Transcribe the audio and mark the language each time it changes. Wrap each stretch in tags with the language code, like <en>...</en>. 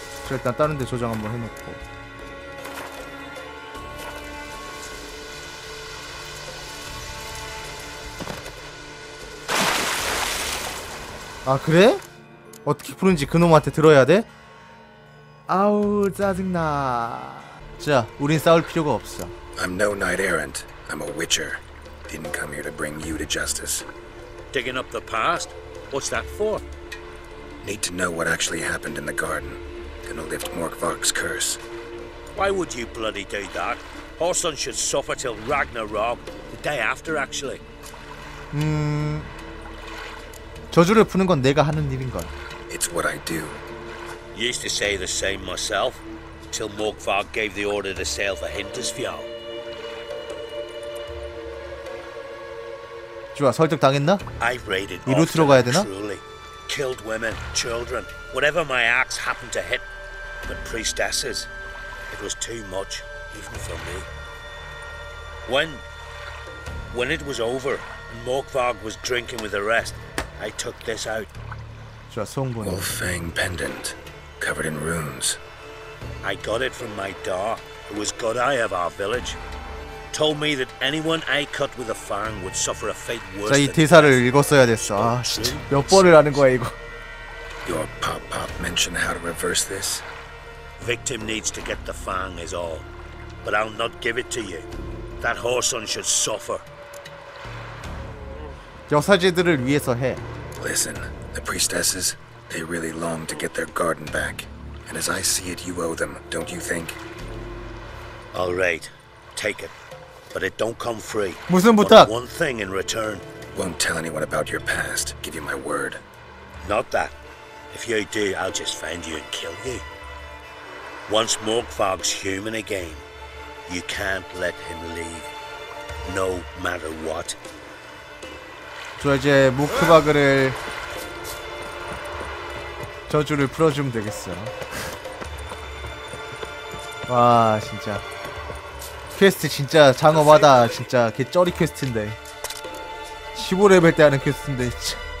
<ko>일단 다른 데 저장 한번 해놓고 아 그래? 어떻게 푸는지 그놈한테 들어야 돼? 아우 짜증나 자 우린 싸울 필요가 없어</ko> <en>I'm no knight errant I'm a witcher Didn't come here to bring you to justice Digging up the past? What's that for? Need to know what actually happened in the garden And lift Morkvark's curse. Why would you bloody do that? Horson should suffer till Ragnarok. The day after, actually.</en> <ko>저주를 푸는 건 내가 하는 일인 걸.</ko> <en>It's what I do. Used to say the same myself. Till Morkvark gave the order to sail for Hindisfjall.</en> <ko>좋아, 설득 당했나?</ko> <en>I've raided.</en> <ko>이 루트로 가야 되나?</ko> <en>Truly, killed women, children, whatever my axe happened to hit. The priestesses. It was too much, even for me. When it was over, Morkvarg was drinking with the rest. I took this out. Wolffang pendant, covered in runes. I got it from my Dar, who was good eye of our village. Told me that anyone I cut with a fang would suffer a fate worse.</en> <ko>자, 이 대사를 읽었어야 됐어. 아, 몇 번을 하는 거야 이거.</ko> <en>Your pop mentioned how to reverse this. Victim needs to get the fang is all. But I'll not give it to you. That horson should suffer.</en> <ko>여사제들을 위해서 해.</ko> <en>Listen, the priestesses, they really long to get their garden back. And as I see it, you owe them, don't you think? All right, take it. But it don't come free.</en> <ko>무슨 부탁?</ko> <en>One thing in return. Won't tell anyone about your past, give you my word. Not that. If you do, I'll just find you and kill you. Once Morkvarg's human again, you can't let him leave, no matter what.</en> <ko>저 이제 모크바그를 저주를 풀어주면 되겠어. 와 진짜 퀘스트 진짜 장엄하다 진짜 개 쩌리 퀘스트인데 15레벨 때 하는 퀘스트인데 진짜.</ko>